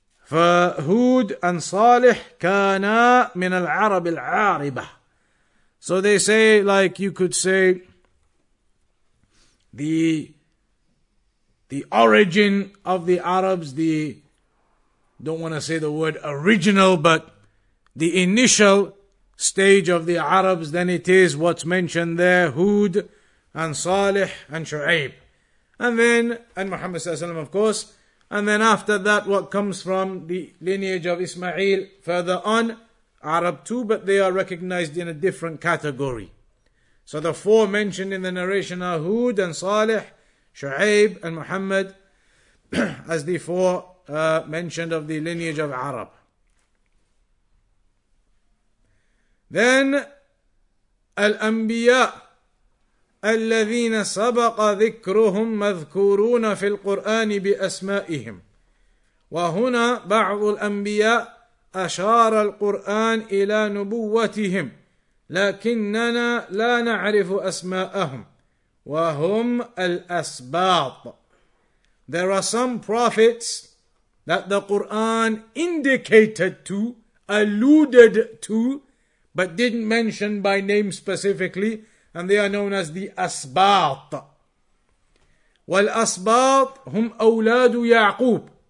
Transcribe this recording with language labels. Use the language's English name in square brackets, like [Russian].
[Arabic] فهود [English] and [Arabic] صالح كانا من العرب العاربة. [English] So they say, like you could say, the origin of the Arabs, the, don't want to say the word original, but the initial stage of the Arabs, then it is what's mentioned there, Hud and صالح and شعيب. And then, and Muhammad [Arabic] صلى الله عليه وسلم [English] of course. And then after that, what comes from the lineage of Ismail further on, Arab too, but they are recognized in a different category. So the four mentioned in the narration are Hud and Salih, Shu'aib and Muhammad, as the four mentioned of the lineage of Arab. Then, [Arabic] Al-Anbiya, الذين سبق ذكرهم مذكورون في القرآن بأسمائهم وهنا بعض الأنبياء أشار القرآن إلى نبوتهم لكننا لا نعرف أسماءهم وهم الأسباط. [English] There are some prophets that the Quran indicated to, alluded to, but didn't mention by name specifically. And they are known as the Asbat. [Arabic] وَالْأَسْبَاطُ هُمْ أَوْلَادُ يَعْقُوبُ.